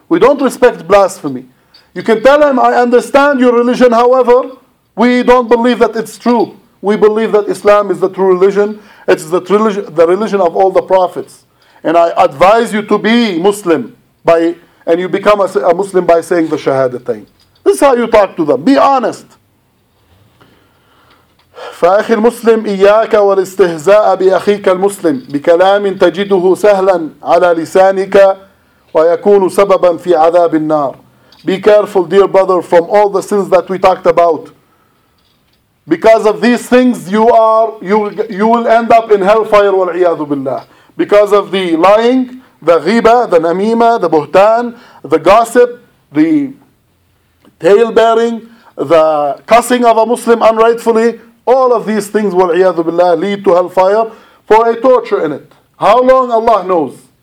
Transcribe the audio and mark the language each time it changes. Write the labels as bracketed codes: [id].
[en] We don't respect blasphemy. You can tell him, "I understand your religion, however, we don't believe that it's true. We believe that Islam is the true religion. It's the religion of all the prophets. And I advise you to be Muslim by, and you become a Muslim by saying the shahadatain." This is how you talk to them. Be honest. [ar] فأخي المسلم إياك والاستهزاء بأخيك المسلم بكلام تجده سهلا على لسانك ويكون سببا في عذاب النار. [en] Be careful, dear brother, from all the sins that we talked about. Because of these things, you will end up in hellfire, [ar] wal'iyadu billah. [en] Because of the lying, the ghiba, the namima, the buhtan, the gossip, the tale-bearing, the cussing of a Muslim unrightfully, all of these things, [ar] wal'iyadu billah, [en] lead to hellfire for a torture in it. How long? Allah knows.